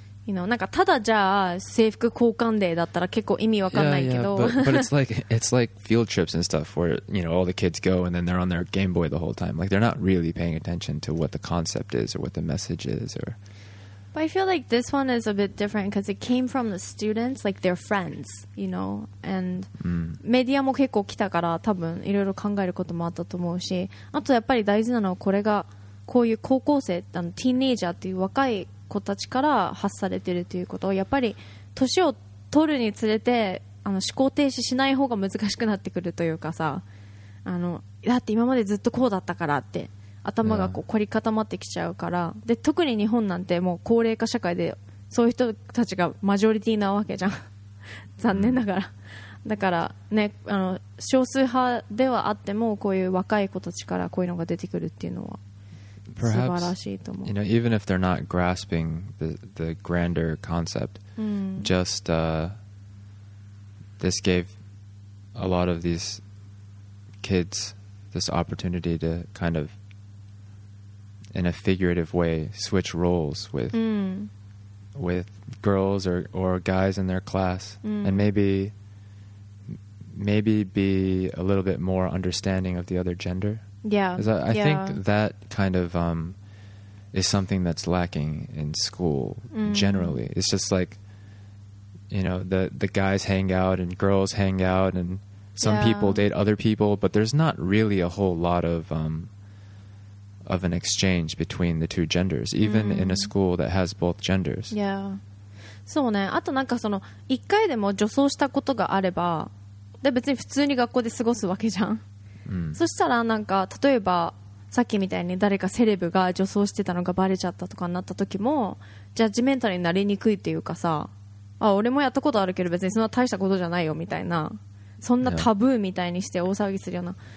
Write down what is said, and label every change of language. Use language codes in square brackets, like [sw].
[en] You know, [ja] なんかただじゃあ制服交換デーだったら結構意味わかんないけど。 [en] Yeah, yeah, but it's like field trips and stuff where, you know, all the kids go and then they're on their Game Boy the whole time. Like, they're not really paying attention to what the concept is or what the message is or... But I feel like this one is a bit different because it came from the students, like their friends, you know. [ja] And メディアも結構来たから多分いろいろ考えることもあったと思うし、あとやっぱり大事なのはこれがこういう高校生、あのティーンエイジャーっていう若い子たちから発されてるということ、やっぱり年を取るにつれてあの思考停止しない方が難しくなってくるというかさ、あのだって今までずっとこうだったからって頭がこう凝り固まってきちゃうから、yeah. で特に日本なんてもう高齢化社会でそういう人たちがマジョリティなわけじゃん残念ながら、だからね、あの少数派ではあってもこういう若い子たちからこういうのが出てくるっていうのは [en] Perhaps, [ja] 素晴らしいと思う。 [en] You know, even if they're not grasping the grander concept、just this gave a lot of these kids this opportunity to kind ofin a figurative way, switch roles with with girls or guys in their class, and maybe be a little bit more understanding of the other gender. Yeah, I think that kind of is something that's lacking in school generally. It's just like, you know, the guys hang out and girls hang out, and some people date other people, but there's not really a whole lot of an exchange between the two genders, even in a school that has both genders. [ja] Yeah. そうね。あとなんかその一回でも女装したことがあれば、で別に普通に学校で過ごすわけじゃん。そしたらなんか例えばさっきみたいに誰かセレブが女装してたのがバレちゃったとかになった時も、ジャッジメンタルになりにくいっていうかさ、あ、俺もやったことあるけど別にそんな大したことじゃないよみたいな、そんなタブーみたいにして大騒ぎするような。